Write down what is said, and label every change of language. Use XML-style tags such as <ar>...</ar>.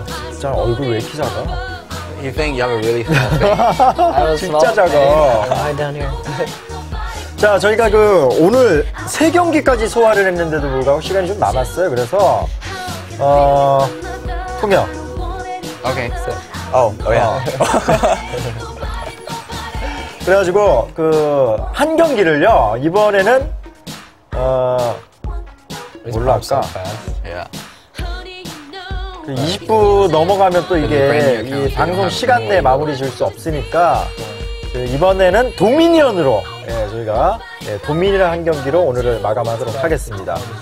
<ko>진짜 얼굴 왜 이렇게 작아?</ko> <en>You think you have a really small face?</en> <ko>진짜 작아.</ko> <en>Hi down here.</en> <ko>자, 저희가 그 오늘 세 경기까지 소화를 했는데도 불구하고 시간이 좀 남았어요. 그래서 통영.</ko> <en>Okay. So. Oh, yeah.</en> <ko>그래가지고 그 한 경기를요 이번에는 몰라 아까 그 20분 넘어가면 또 이게 이 방송 시간 내에 마무리 지을 수 없으니까 그 이번에는 도미니언으로 예, 저희가 예, 도미니언 한 경기로 오늘을 마감하도록 하겠습니다.</ko>